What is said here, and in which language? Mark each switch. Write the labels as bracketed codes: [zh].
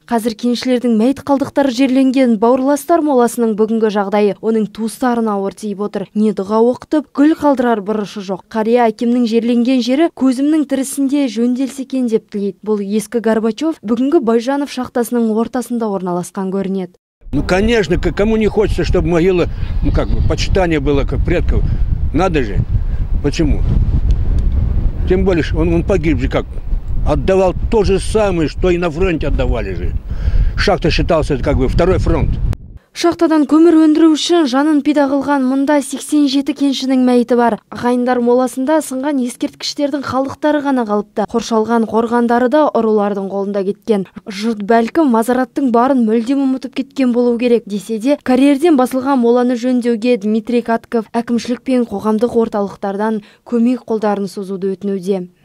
[kk] Қазір кеншілердің мәйіт қалдықтары жерленген бауырластар моласының бүгінгі жағдайы оның туыстарына ауыр тиіп отыр. Не дұға оқытып, гүл қалдырар бұрышы жоқ. Қария әкемнің жерленген жері көзімнің тірісінде жөнделсе екен деп тілейді. Бұл ескі Горбачев бүгінгі Байжанов шахтасының ортасында орналасқан көрінеді. [ru] Ну, конечно, кому не хочется, чтобы могила, ну, как бы, почитание было, как предков. Надо же. Почему? Тем более, он погиб же как. Отдавал то же самое, что и на фронте отдавали же. Шахта считался, как бы, второй фронт. [kk] Шахтадан көмір өндіру үшін жанын пида қылған мұнда 87 кеншінің мәйіті бар. Ағайындар моласында сынған ескерткіштердің қалдықтары ғана қалыпты. Қоршалған қорғандары да ұрылардың қолында кеткен. Жұрт бәлкім мазараттың барын мүлдем ұмытып кеткен болу керек десе де, карьерден басылған моланы жөндеуге Дмитрий Катков әкімшілік пен қоғамдық орталықтардан көмек қолдарын созуды өтінуде.